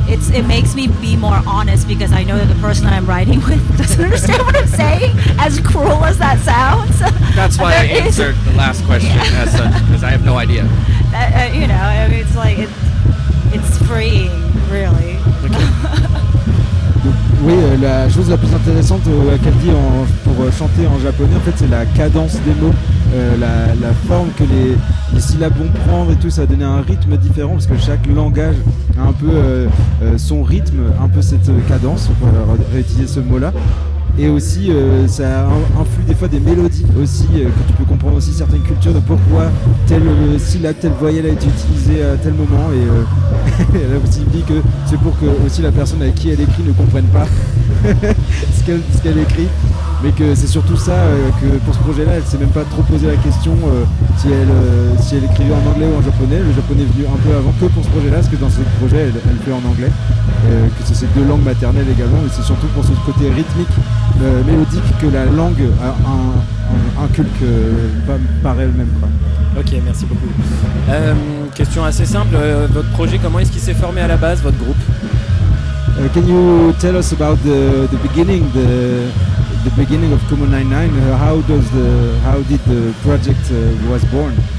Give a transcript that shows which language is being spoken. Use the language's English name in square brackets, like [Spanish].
[English] It makes me be more honest because I know that the person that I'm writing with doesn't understand what I'm saying, as cruel as that sounds. That's why I answered the last question as such, because I have no idea. You know, I mean, it's like, it's freeing, really. [French] Oui, la chose la plus intéressante qu'elle dit pour chanter en japonais, en fait, c'est la cadence des mots, la forme que les syllabes vont prendre et tout, ça a donné un rythme différent parce que chaque langage a un peu son rythme, un peu cette cadence, pour réutiliser ce mot-là. Et aussi, ça influe des fois des mélodies aussi, que tu peux comprendre aussi certaines cultures de pourquoi telle syllabe, telle voyelle a été utilisée à tel moment. Et elle a aussi dit que c'est pour que aussi la personne à qui elle écrit ne comprenne pas ce qu'elle écrit. mais que c'est surtout ça, que pour ce projet-là, elle s'est même pas trop posé la question si elle écrivait en anglais ou en japonais. Le japonais est venu un peu avant que pour ce projet-là, parce que dans ce projet, elle fait en anglais, que c'est ses deux langues maternelles également, mais c'est surtout pour ce côté rythmique, mélodique, que la langue inculque par elle-même, quoi. Ok, merci beaucoup. Question assez simple, votre projet, comment est-ce qu'il s'est formé à la base, votre groupe? [English] Can you tell us about the beginning of Kumo 99? How did the project was born?